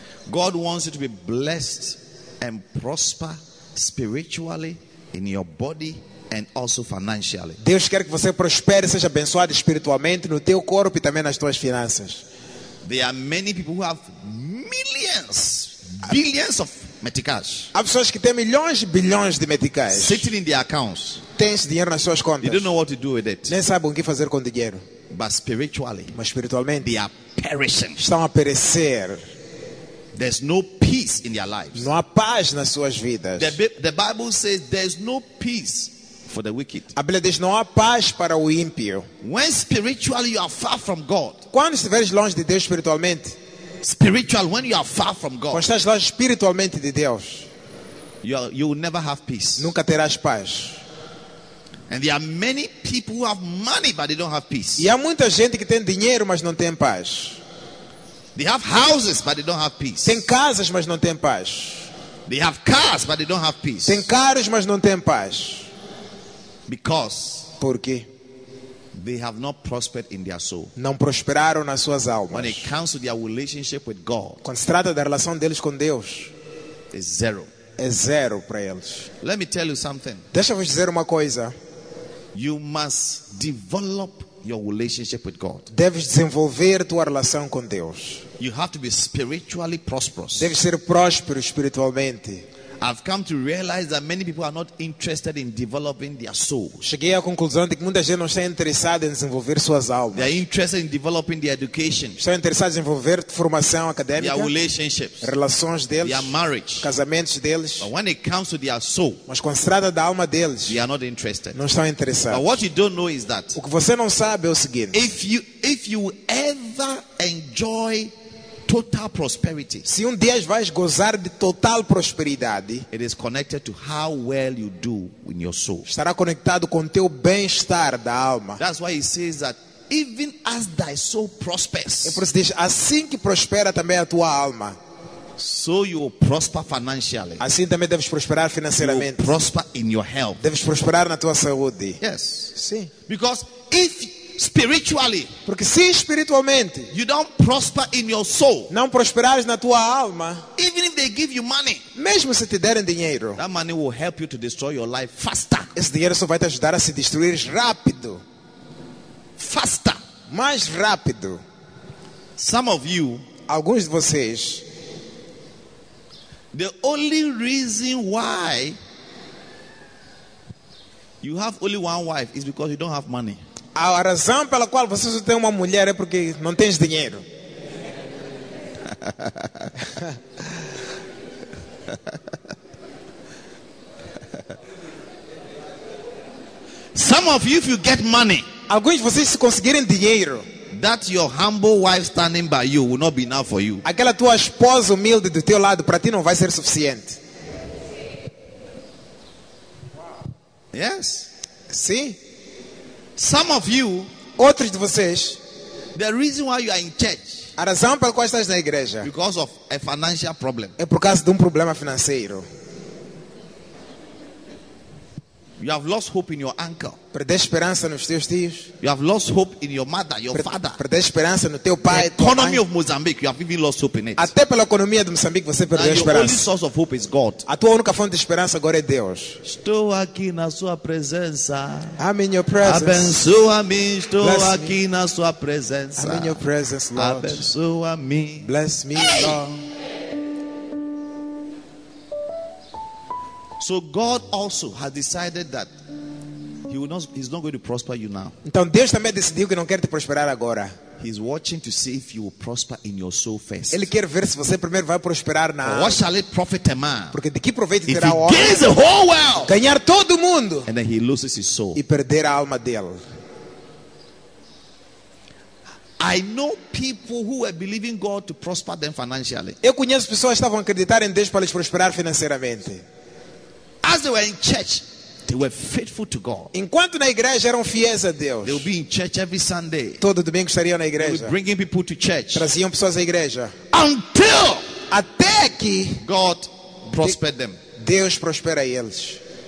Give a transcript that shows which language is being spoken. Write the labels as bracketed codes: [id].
[en] God wants you to be blessed and prosper spiritually in your body. And also financially. [pt] Deus quer que você prospere, seja abençoado espiritualmente no teu corpo e também nas tuas finanças. [en] There are many people who have millions, billions of meticais. [pt] Há pessoas que têm milhões e bilhões de meticais. [en] Sitting in their accounts. [pt] Têm dinheiro nas suas contas. [en] You don't know what to do with it. [pt] Nem sabem o que fazer com o dinheiro. [en] But spiritually, [pt] mas espiritualmente, [en] they are perishing. [pt] Estão a perecer. [en] There's no peace in their lives. [pt] Não há paz nas suas vidas. [en] The Bible says there's no peace. For the wicked. [pt] A Bíblia diz não há paz para o ímpio. [en] When spiritually you are far from God. [pt] Quando estiveres longe de Deus espiritualmente. [en] Spiritual when you are far from God. [pt] Quando estás longe espiritualmente de Deus. [en] You will never have peace. [pt] Nunca terás paz. [en] And there are many people who have money but they don't have peace. [pt] E há muita gente que tem dinheiro mas não tem paz. [en] They have houses but they don't have peace. [pt] Tem casas mas não tem paz. [en] They have cars but they don't have peace. [pt] Tem carros mas não tem paz. [en] Because [pt] porque [en] they have not prospered in their soul. [pt] Não prosperaram nas suas almas. [en] When it comes to their relationship with God. [pt] Quando se trata da relação deles com Deus. [en] It's zero. [pt] É zero para eles. [en] Let me tell you something. [pt] Deixa-me dizer uma coisa. [en] You must develop your relationship with God. [pt] Deves desenvolver tua relação com Deus. [en] You have to be spiritually prosperous. [pt] Deves ser próspero espiritualmente. [en] I've come to realize that many people are not interested in developing their soul. [pt] Cheguei à conclusão de que muita gente não está interessada em desenvolver suas almas. [en] They are interested in developing their education. [pt] Estão interessados em desenvolver formação acadêmica. [en] Their relationships. [pt] Relações deles. [en] Their marriage. [pt] Casamentos deles. [en] But when it comes to their soul, [pt] mas quando se trata da alma deles, [en] they are not interested. [pt] Não estão interessados. [en] But what you don't know is that, [pt] o que você não sabe é o seguinte. [en] If you ever enjoy total prosperity. [pt] Se dia vais gozar de total prosperidade, [en] it is connected to how well you do in your soul. [pt] Estará conectado com teu bem-estar da alma. [en] That's why he says that even as thy soul prospers. [pt] É por isso diz, assim que prospera também a tua alma. [en] So you will prosper financially. [pt] Assim também deves prosperar financeiramente. [en] Prosper in your health. [pt] Deves prosperar na tua saúde. [en] Yes. [pt] Sim. [en] Because if spiritually, [pt] porque se espiritualmente, [en] you don't prosper in your soul, [pt] não prosperares na tua alma, [en] even if they give you money, [pt] mesmo se te derem dinheiro, [en] that money will help you to destroy your life faster. [pt] Esse dinheiro só vai te ajudar a se destruir rápido, [en] faster, [pt] mais rápido. [en] Some of you, [pt] alguns de vocês, [en] the only reason why you have only one wife is because you don't have money. [pt] A razão pela qual você só tem uma mulher é porque não tens dinheiro. [en] Some of you, if you get money, [pt] alguns de vocês se conseguirem dinheiro, [en] that your humble wife standing by you will not be enough for you. [pt] Aquela tua esposa humilde do teu lado para ti não vai ser suficiente. [en] Yes. [pt] Sim. [en] Some of you, [pt] outros de vocês, [en] the reason why you are in church, [pt] a razão pela qual estás na igreja, [en] because of a financial problem, [pt] é por causa de problema financeiro. [en] You have lost hope in your uncle, [pt] perdeste esperança nos teus tios. [en] You have lost hope in your mother, your father, [pt] perdeste esperança no teu pai. [en] The economy of Mozambique, you have even lost hope in it. [pt] Até pela economia de Moçambique você perdeu esperança. [en] Your only source of hope is God. [pt] A tua única fonte de esperança agora é Deus. Estou aqui na sua presença. [en] I'm in your presence. [pt] Abençoa-me. Estou aqui na sua presença. [en] I'm in your presence, Lord. [pt] Abençoa-me. [en] Bless me, Lord. So God also has decided that he's not going to prosper you now. [pt] Então Deus também decidiu que não quer te prosperar agora. [en] He's watching to see if you will prosper in your soul first. [pt] Ele quer ver se você primeiro vai prosperar na. [en] What shall it profit a man? [pt] Porque de que proveito terá o homem? [en] If he gains the whole world, [pt] ganhar todo mundo. [en] And then he loses his soul. [pt] E perder a alma dele. [en] I know people who are believing God to prosper them financially. [pt] Eu conheço pessoas que estavam a acreditar em Deus para lhes prosperar financeiramente. [en] As they were in church, they were faithful to God. [pt] Enquanto na igreja eram fiéis a Deus. [en] They would be in church every Sunday. [pt] Todo domingo estariam na igreja. [en] They would bring people to church. [pt] Traziam pessoas à igreja. [en] Until [pt] até que [en] God prospered them. [pt] Deus prospera eles.